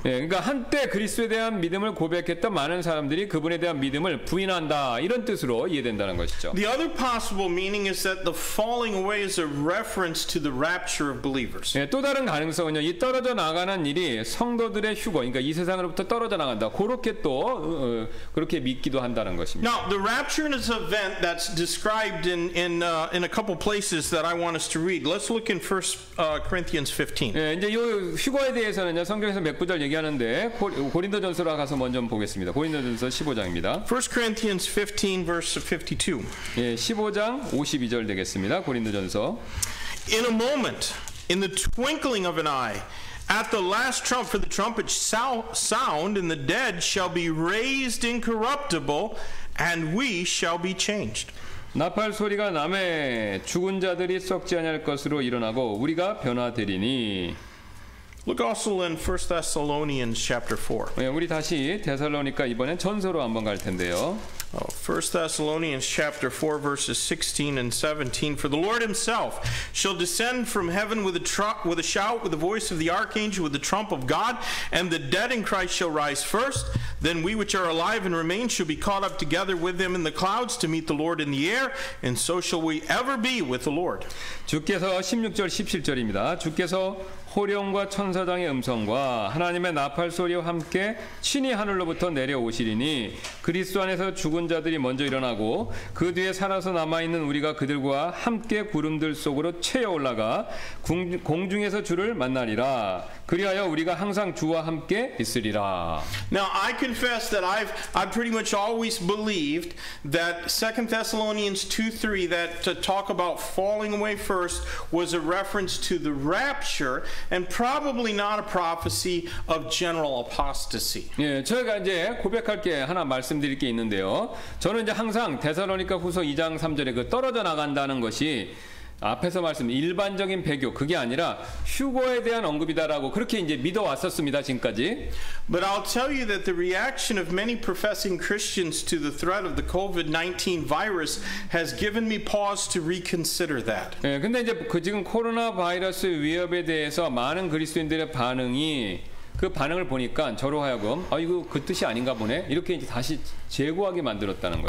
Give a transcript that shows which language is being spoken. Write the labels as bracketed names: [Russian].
[Korean] 예, 그러니까 한때 그리스도에 대한 믿음을 고백했던 많은 사람들이 그분에 대한 믿음을 부인한다 이런 뜻으로 이해된다는 것이죠. [English] The other possible meaning is that the falling away is a reference to the rapture of believers. [Korean] 예, 또 다른 가능성은요. 이 떨어져 나가는 일이 성도들의 휴거, 그러니까 이 세상으로부터 떨어져 나간다. 그렇게 또 그렇게 믿기도 한다는 것입니다. [English] Now, the rapture is an event that's described in a couple places that I want us to read. Let's look in 1 Corinthians 15. [Korean] 예, 이제 요 휴거에 대해서 성경에서 몇 구절 얘기하는데 고린도전서로 가서 먼저 보겠습니다. 고린도전서 15장입니다. [English] 1 Corinthians 15 verse 52. [Korean] 예, 15장 52절 되겠습니다. 고린도전서. [English] In a moment, in the twinkling of an eye, at the last trump, for the trumpet sound, and the dead shall be raised incorruptible, and we shall be changed. [Korean] 나팔 소리가 남에 죽은 자들이 썩지 아니할 것으로 일어나고 우리가 변화되리니. [English] Look also in 1 Thessalonians chapter 4. [Korean] 예, 우리 다시 데살로니가 이번에 전서로 한번 갈 텐데요. [English] 1 Thessalonians chapter 4 verses 16 and 17 For the Lord himself shall descend from heaven with a shout, with the voice of the archangel, with the trump of God, and the dead in Christ shall rise first. Then we which are alive and remain shall be caught up together with them in the clouds to meet the Lord in the air, and so shall we ever be with the Lord. [Korean] 주께서 16절 17절입니다. 주께서 호령과 천사장의 음성과 하나님의 나팔 소리와 함께 친히 하늘로부터 내려오시리니 그리스도 안에서 죽은 자들이 먼저 일어나고 그 뒤에 살아서 남아있는 우리가 그들과 함께 구름들 속으로 채여 올라가 공중에서 주를 만나리라 그리하여 우리가 항상 주와 함께 있으리라 [English] Now I confess that I've pretty much always believed that 2 Thessalonians 2:3 that to talk about falling away first was a reference to the rapture and probably not a prophecy of general apostasy. [Korean] 예, 제가 이제 고백할 게 하나 말씀드릴 게 있는데요. 저는 이제 항상 데살로니가 후서 2장 3절에 그 떨어져 나간다는 것이 앞에서 말씀 일반적인 배교 그게 아니라 휴거에 대한 언급이다라고 그렇게 이제 믿어 왔었습니다 지금까지. [English] But I'll tell you that the reaction of many professing Christians to the threat of the COVID-19 virus has given me pause to reconsider that. [Korean] 예, 근데 이제 그 지금 코로나 바이러스 위협에 대해서 많은 그리스도인들의 반응이 그 반응을 보니까 저로 하여금 아 이거 그 뜻이 아닌가 보네 이렇게 이제 다시 재고하게 만들었다는 거예요.